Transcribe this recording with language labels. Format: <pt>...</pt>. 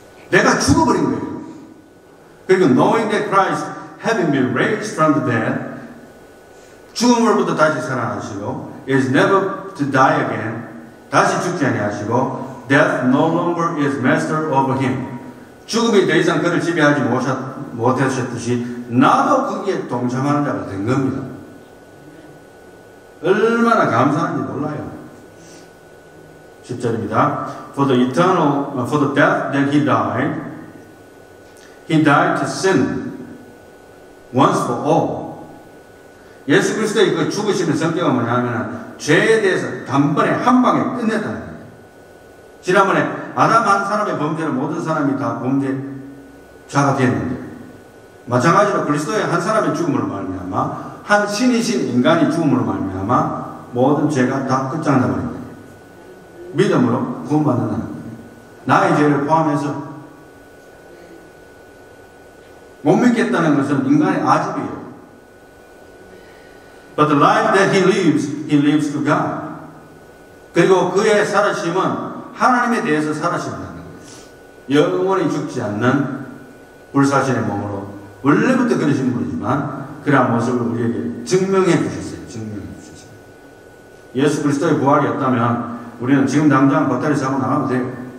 <ko>내가 죽어버린 거예요. 그리고</ko> <en>knowing that Christ having been raised from the dead</en> <ko>죽음으로부터 다시 살아나시고</ko> <en>is never to die again</en> <ko>다시 죽지 아니하시고</ko> <en>death no longer is master over him</en> <ko>죽음이 더 이상 그를 지배하지 못하셨듯이 나도 거기에 동참하는 자가 된 겁니다. 얼마나 감사한지 몰라요. 10절입니다.</ko> <en>For the death that he died He died to sin once for all.</en> <ko>예수 그리스도의 그 죽으시는 성경을 뭐냐면 죄에 대해서 단번에 한 방에 끝냈다는 거예요. 지난번에 아담 한 사람의 범죄는 모든 사람이 다 범죄자가 되었는데 마찬가지로 그리스도의 한 사람의 죽음으로 말미암아 한 신이신 인간이 죽음으로 말미암아 모든 죄가 다 끝장나버린 거예요. 믿음으로 구원받는다는 거예요. 나의 죄를 포함해서 못 믿겠다는 것은 인간의 아집이에요.</ko> <en>But the life that he lives to God.</en> <ko>그리고 그의 살아심은 하나님에 대해서 살아심이라는 거예요. 영원히 죽지 않는 불사신의 몸으로 원래부터 그러신 분이지만 그러한 모습을 우리에게 증명해 주셨어요. 증명해 주셨어요. 예수 그리스도의 부활이 없다면 우리는 지금 당장 버터리 사고 나가면 돼요.</ko>